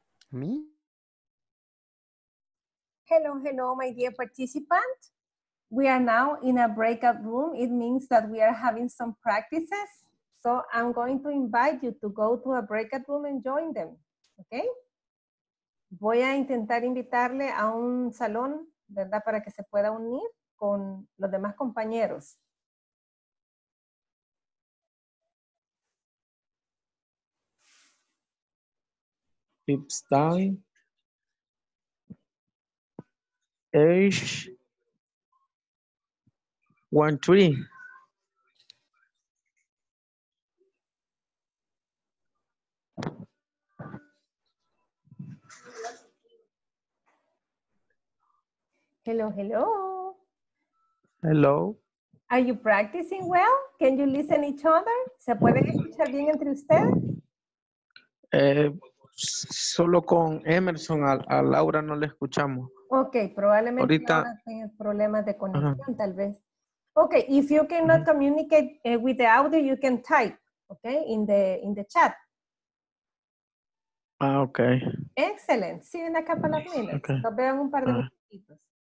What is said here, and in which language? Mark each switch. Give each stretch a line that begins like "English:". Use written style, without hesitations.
English: Me? Hello, hello, my dear participant. We are now in a breakout room. It means that we are having some practices. So I'm going to invite you to go to a breakout room and join them, okay?
Spanish: Voy a intentar invitarle a un salón, ¿verdad? Para que se pueda unir con los demás compañeros.
English: It's time. Age. 1, 3. Hello, hello. Hello. Are you practicing well? Can you listen each other?
Spanish: ¿Se puede escuchar bien entre ustedes? Solo con Emerson, a Laura no le escuchamos. Okay, probablemente ahorita tenga problemas de conexión, tal vez.
English: Okay, if you cannot communicate with the audio, you can type, okay, in the chat. Ah, okay. Excellent. See you in a couple of minutes. Okay.
Spanish: Nos vemos un par de minutitos.